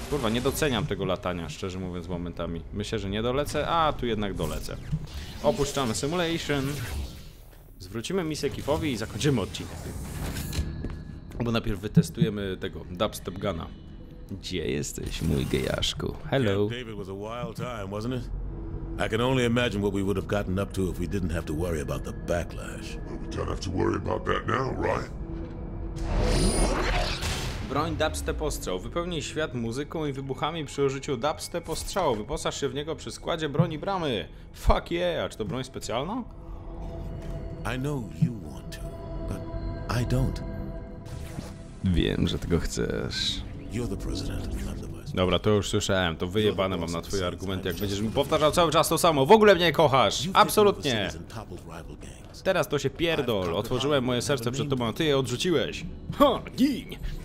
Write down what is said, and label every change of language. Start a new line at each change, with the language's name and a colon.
Polish: Kurwa, nie doceniam tego latania, szczerze mówiąc, momentami. Myślę, że nie dolecę, a tu jednak dolecę. Opuszczamy simulation. Zwrócimy misję Kifowi i zakończymy odcinek. Bo najpierw wytestujemy tego dubstep guna. Gdzie jesteś, mój gejaszku?
English: Hello. David was a wild time, wasn't it? I can only imagine what we would have gotten up to if we didn't have to worry about the backlash. We don't have to worry about that now, right?
Polish: Broń dubstep ostrzał. Wypełnij świat muzyką i wybuchami przy użyciu dubstep ostrzału. Wyposaż się w niego przy składzie broni bramy.
English: Fuck yeah,
Polish: czy to broń specjalna?
English: I know you want to, but I don't.
Polish: Wiem, że tego chcesz.
English: You're the president.
Polish: Dobra, to już słyszałem, to wyjebane mam na twój argument, jak będziesz mi powtarzał cały czas to samo. W ogóle mnie kochasz! Absolutnie! Teraz to się pierdol, otworzyłem moje serce przed tobą, a ty je odrzuciłeś. Ha, giń!